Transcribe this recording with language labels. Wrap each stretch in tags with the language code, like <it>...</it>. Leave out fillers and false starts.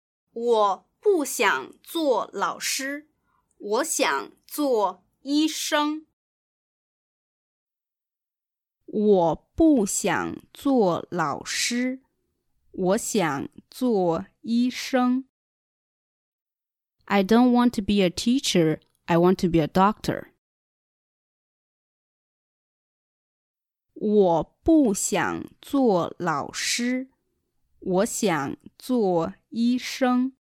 <zh>我不想做老师我想做医生我不想做老师我想做医生</zh> <en>I don't want to be a teacher I want to be a doctor</en> <zh>我不想做老师我想做医生</zh>